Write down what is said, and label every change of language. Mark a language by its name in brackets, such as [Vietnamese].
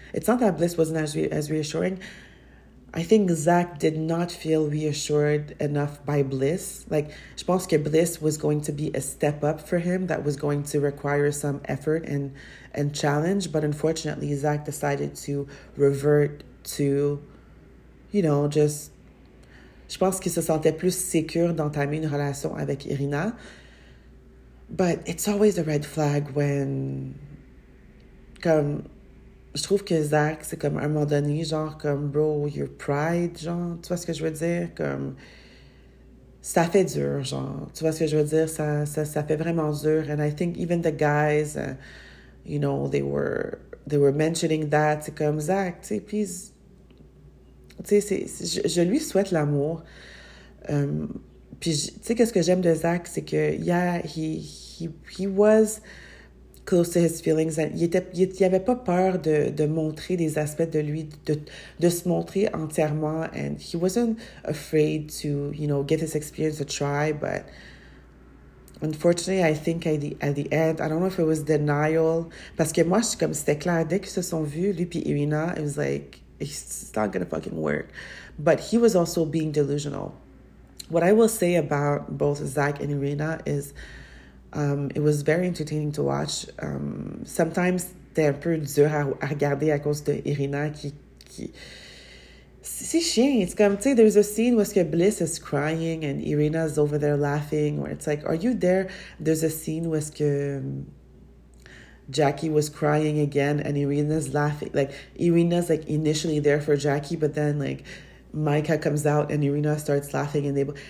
[English] It's not that Bliss wasn't as reassuring. I think Zach did not feel reassured enough by Bliss. Like, [French] je pense que [English] Bliss was going to be a step up for him that was going to require some effort and challenge. But unfortunately, Zach decided to revert to, you know, just... [French] Je pense qu'il se sentait plus sécure d'entamer une relation avec Irina. [English] But it's always a red flag when... Comme... [French] Je trouve que Zach, c'est comme à un moment donné, genre, comme, [English] bro, your pride, [French] genre, tu vois ce que je veux dire? Comme, ça fait dur, genre, tu vois ce que je veux dire? Ça fait vraiment dur. [English] And I think even the guys, you know, they were mentioning that. [French] C'est comme, Zach, tu sais, please, tu sais, je lui souhaite l'amour. Puis, tu sais, qu'est-ce que j'aime de Zach, c'est que, yeah, [English] he was... close to his feelings. [French] Il avait pas peur de montrer des aspects de lui, de se montrer entièrement. [English] And he wasn't afraid to, you know, give his experience a try. But unfortunately, I think at the end, I don't know if it was denial. [French] Parce que moi, je suis comme, c'était clair. Dès qu'ils se sont vus, lui puis Irina, [English] it was like, it's not gonna fucking work. But he was also being delusional. What I will say about both Zach and Irina is... it was very entertaining to watch. Sometimes [French] t'es un peu dur à regarder à cause de Irina qui... C'est chiant. [English] It's [French] comme, tu sais, [English] there's a scene where Bliss is crying and Irina's over there laughing. Where it's like, are you there? There's a scene where Jackie was crying again and Irina's laughing. Like, Irina's like initially there for Jackie, but then like Micah comes out and Irina starts laughing and they.